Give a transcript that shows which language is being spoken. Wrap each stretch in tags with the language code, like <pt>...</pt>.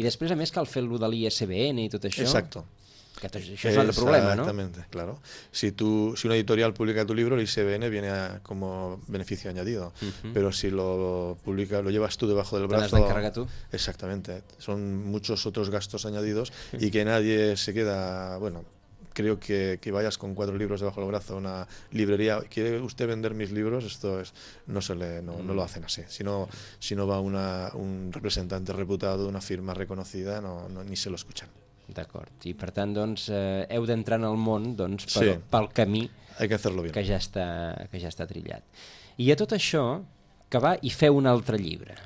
<ca>I després, a més, cal fer-lo de l'ISBN i tot això.</ca> <es>Exacto.</es> <ca>Que això és l'altre problema, no?</ca> <es>Exactamente, claro. Si una editorial publica tu libro, el ISBN viene como beneficio añadido. Uh-huh. Pero si lo publica, lo llevas tú debajo del brazo...</es> <ca>Te has d'encarregar tú.</ca> <es>Exactamente. Son muchos otros gastos añadidos y que nadie se queda... Bueno, creo que vayas con cuatro libros debajo del brazo a una librería. ¿Quiere usted vender mis libros? Esto es, no lo hacen así. Si no va un representante reputado, una firma reconocida, no, ni se lo escuchan.</es> <ca>D'acord. I per tant, doncs, heu d'entrar en el món, doncs, pel camí que ja està trillat. I a tot això, que va i feu un altre llibre.</ca>